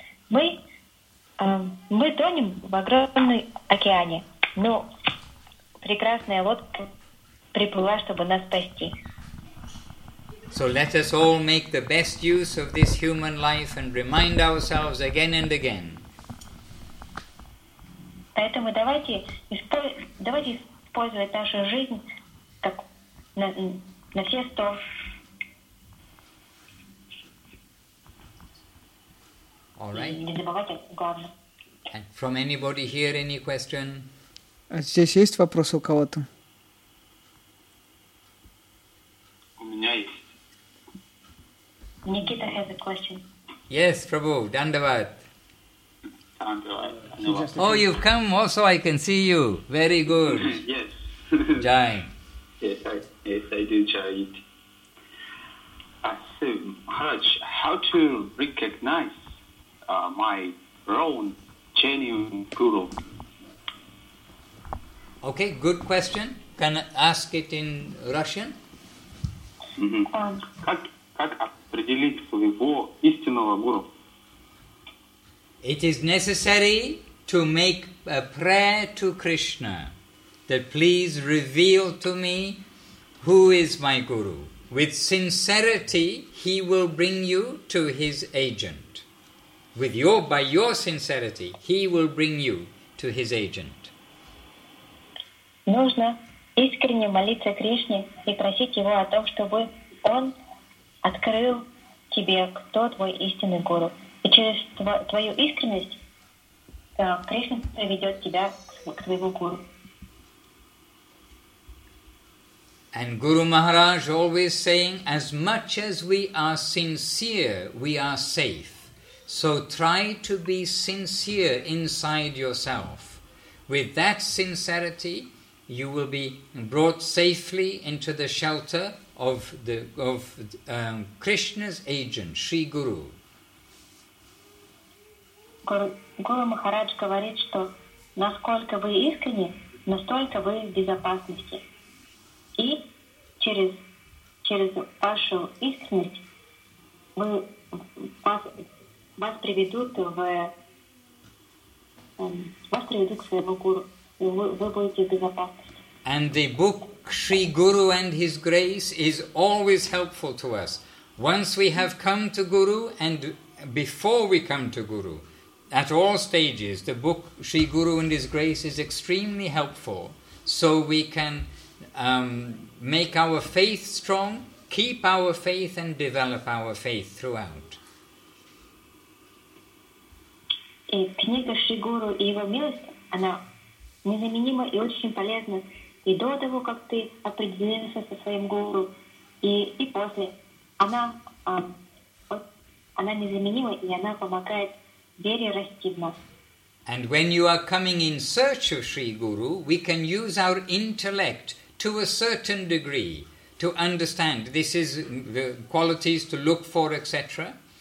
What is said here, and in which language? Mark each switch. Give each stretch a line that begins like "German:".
Russian: Мы тонем в огромном океане, но прекрасная лодка приплыла, чтобы нас спасти.
English: So let us all make the best use of this human life and remind ourselves again and again.
Russian: Поэтому давайте использовать нашу жизнь как на все сто.
English: All right.
Russian: И не забывайте главное.
English: And from anybody here, any question?
Russian: А здесь есть вопрос у кого-то? У меня есть.
English: Никита has a question. Yes, Prabhu, Dandavat. Dandavat. Oh, you've come also, I can see you. Very good. Yes. Jai. Yes, I do, Jai. So, Maharaj, how to recognize my own genuine guru? Okay, good question. Can I ask it in Russian?
Russian: Как определить своего истинного гуру?
English: It is necessary to make a prayer to Krishna that please reveal to me who is my guru. With sincerity, he will bring you to his agent. By your sincerity, he will bring you to his agent.
Russian: Нужно искренне молиться Кришне и просить его о том, чтобы он открыл тебе, кто твой истинный гуру. И через твою искренность Кришна приведет тебя к твоему гуру.
English: And Guru Maharaj always saying, as much as we are sincere, we are safe. So try to be sincere inside yourself. with that sincerity, you will be brought safely into the shelter of the Krishna's agent, Sri Guru.
Russian: Guru Maharaj говорит, что насколько вы искренни, настолько вы в безопасности. И через вашу искренность вас приведут к своему гуру. Вы будете в безопасности.
English: And the book Sri Guru and His Grace is always helpful to us. Once we have come to Guru and before we come to Guru, at all stages, the book Sri Guru and His Grace is extremely helpful, so we can make our faith strong, keep our faith, and develop our faith throughout.
Russian: И книга Шри Гуру и Его Милость, она незаменима и очень полезна и до того, как ты определился со своим гуру, и после. Она незаменима, и она помогает вере расти в нас.
English: And when you are coming in search of Sri Guru, we can use our intellect to a certain degree to understand this is the qualities to look for, etc.